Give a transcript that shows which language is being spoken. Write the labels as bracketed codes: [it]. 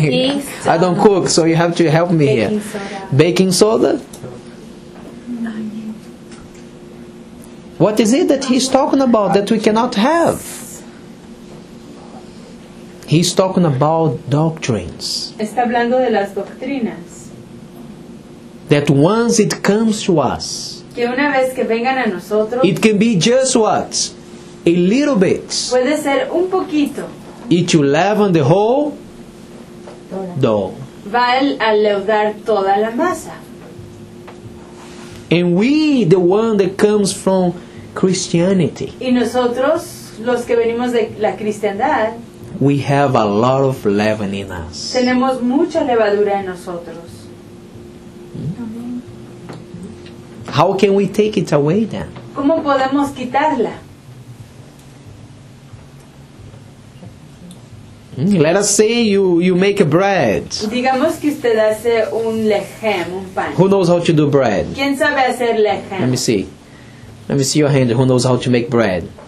[en] Yeast. I don't cook, so you have to help me baking here. Soda. Baking soda? What is it that he's talking about that we cannot have? He's talking about doctrines. [es] Está hablando de las doctrinas. [en] That once it comes to us, [es] que una vez que vengan a nosotros, [en] it can be just what? A little bit. [es] Puede ser un poquito. [en] It will leaven the whole dough. [es] Va a leudar toda la masa. [en] And we, the one that comes from Christianity, [es] y nosotros, los que venimos de la cristiandad, [en] we have a lot of leaven in us. [es] Tenemos mucha levadura en nosotros. [en] How can we take it away then? [es] ¿Cómo podemos quitarla? [en] Let us say you make a bread. [es] Digamos que usted hace un lejem, un pan. [en] Who knows how to do bread? [es] ¿Quién sabe hacer lejem? [en] Let me see. Let me see your hand. Who knows how to make bread?